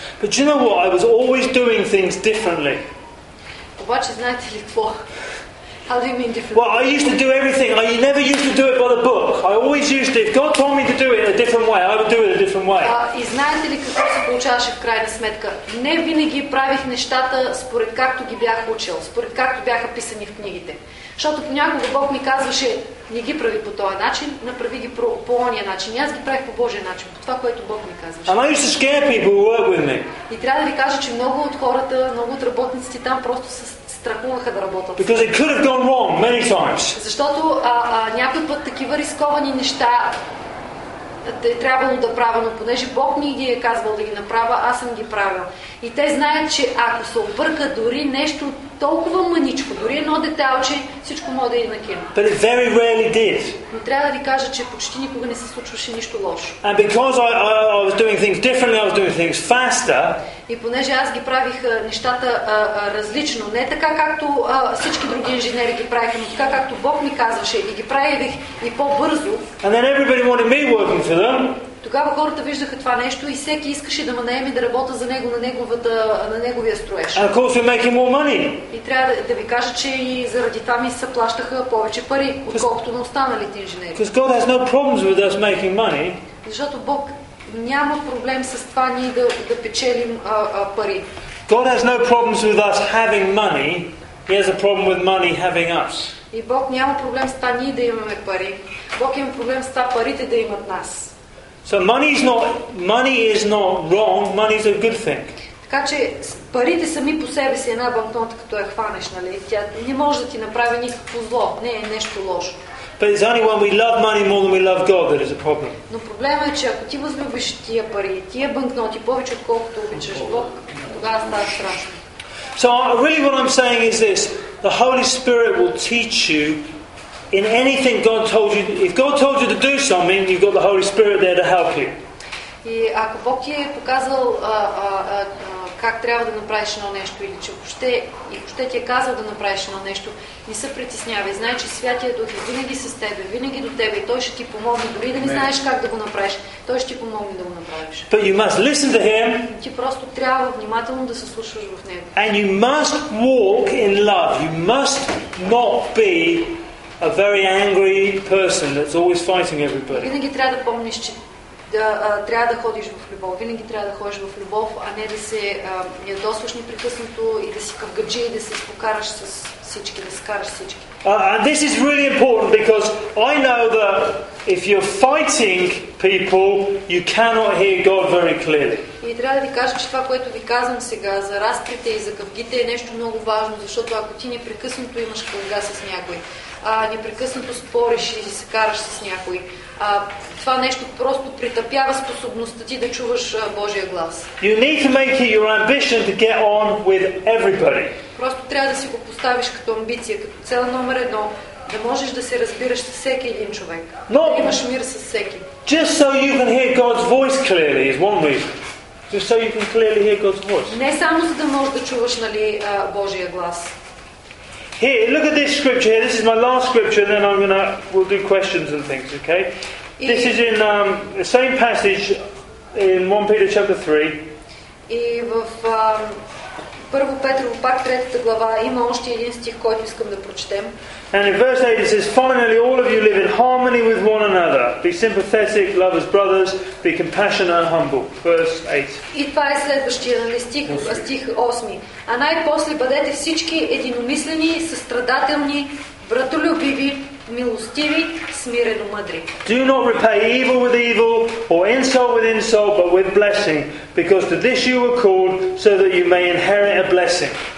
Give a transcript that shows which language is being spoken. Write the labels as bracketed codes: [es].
[en] But you know what? I was always doing things differently. [bg] Обаче знаете ли какво? [en] How do you mean different? Well, I used to do everything. I never used to do it by the book. I always used to, if God told me to do it in a different way, I would do it a different way. [bg] И знаете ли какво се получаваше в крайна сметка? Не винаги правих нещата според както ги бях учил, според както бяха писани в книгите. Защото понякога Бог ми казваше, не ги прави по този начин, направи ги по ония начин. И аз ги правих по Божия начин, по това, което Бог ми казваше. [en] People, [bg] и трябва да ви кажа, че много от хората, много от работниците там просто се страхуваха да работят. [en] Because it could have gone wrong many times. [bg] Защото някой път такива рисковани неща е трябвало да правя, но понеже Бог ми ги е казвал да ги направя, аз съм ги правил. И те знаят, че ако се обърка дори нещо толкова маничко, дори едно детайлче, всичко може да иде на кино. [en] But it very rarely did. [bg] Но трябва да ви кажа, че почти никога не се случваше нищо лошо. [en] And because I was doing things differently, I was doing things faster. [bg] И понеже аз ги правих нещата различно, не така както всички други инженери ги правиха, но така както Бог ми казваше и ги правих и по-бързо. [en] And then everybody wanted me working for them. [bg] Тогава хората виждаха това нещо и всеки искаше да ме наеме да работя за него на неговия строеж. [en] And of course we're making more money. [bg] И трябва да ви кажа, че и заради това ми се плащаха повече пари, отколкото на останалите инженери. [en] Because God has no problems with us making money. [bg] Защото Бог няма проблем с това ние да печелим пари. [en] God has no problems with us having money. He has a problem with money having us. [bg] И Бог няма проблем с това ние да имаме пари. Бог има проблем с това парите да имат нас. [en] So money is not wrong. Money is a good thing. [bg] Така че парите сами по себе си една банкнота, като я хванеш, нали? Тя не може да ти направи никакво зло. Не е нещо лошо. [en] But it's only when we love money more than we love God that is a problem. [bg] Но проблемът е, че ако ти възлюбиш тия пари, тия банкноти повече отколкото обичаш Бог, тогава става страшно. [en] So really what I'm saying is this: the Holy Spirit will teach you. In anything God told you, if God told you to do something, you've got the Holy Spirit there to help you. [bg] И ако Бог ти е показал как трябва да направиш едно нещо или че въобще ти е казал да направиш едно нещо, не се притеснявай. Знай, че Святия Дух е винаги с тебе, винаги до тебе и той ще ти помогне, дори да не знаеш как да го направиш, той ще ти помогне да го направиш. [en] But you must listen to him. [bg] Ти просто трябва внимателно да се слушаш в него. [en] And you must walk in love. You must not be a very angry person that's always fighting everybody. [bg] Винаги трябва да помниш, че трябва да ходиш в любов. Винаги трябва да ходиш в любов, а не да се ядосваш непрекъснато и да си къвгаджи и да се спокараш с всички, да скараш всички. [en] And this is really important because I know that if you're fighting people, you cannot hear God very clearly. [bg] И трябва да ви кажа, че това, което ви казвам сега за разприте и за къвгите е нещо много важно, защото ако ти непрекъснато имаш къвга с някой, непрекъснато спориш и се караш с някой. Това нещо просто притъпява способността ти да чуваш Божия глас. [en] You need to make it your ambition to get on with everybody. [bg] Просто трябва да си го поставиш като амбиция, като цел номер едно, да можеш да се разбираш с всеки един човек. [en] No. [bg] Да имаш мир с всеки. [en] Just so you can hear God's voice clearly is one reason. Just so you can clearly hear God's voice. [bg] Не само за да можеш да чуваш, нали, Божия глас. [en] Here, look at this scripture here. This is my last scripture, and then we'll do questions and things, okay? This is in the same passage in 1 Peter chapter 3. [bg] И в 1 Петрово пак 3-та глава има още един стих, който искам да прочетем. [en] And in verse 8 it says, finally all of you live in harmony with one another. Be sympathetic, love as brothers, be compassionate and humble. Verse 8. [bg] И това е следващия стих, стих 8. А най-после бъдете всички единомислени, състрадателни, братолюбиви, милостиви, смирено мъдри. [en] Do not repay evil with evil or insult with insult, but with blessing, because to this you were called, so that you may inherit a blessing.